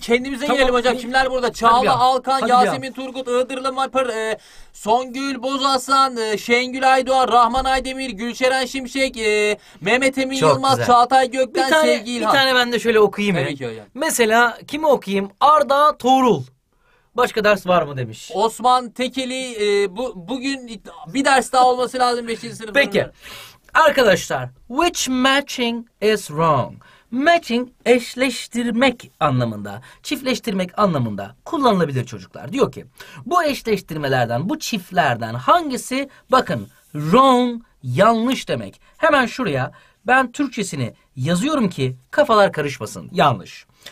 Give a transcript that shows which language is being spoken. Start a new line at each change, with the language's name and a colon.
Turkish: Kendimize tamam, gelelim hocam. Kimler burada? Çağla, Alkan, Yasemin, Turgut, Iğdırlı, Mapır, Songül, Bozasan, Şengül Aydoğan, Rahman Aydemir, Gülşeren Şimşek, Mehmet Emin çok Yılmaz, güzel. Çağatay Gökten, tane, Sevgi İlhan. Bir tane ben de şöyle okuyayım. Tabii ki hocam. Mesela kimi okuyayım? Arda Tuğrul. Başka ders var mı demiş. Osman Tekeli bugün bir ders daha olması lazım 5. sınıfın. Peki. Arkadaşlar,
English: which matching is wrong?
Turkish: Matching eşleştirmek anlamında, çiftleştirmek anlamında kullanılabilir çocuklar. Diyor ki, bu eşleştirmelerden, bu çiftlerden hangisi? Bakın, wrong yanlış demek. Hemen şuraya ben Türkçesini yazıyorum ki kafalar karışmasın. Yanlış.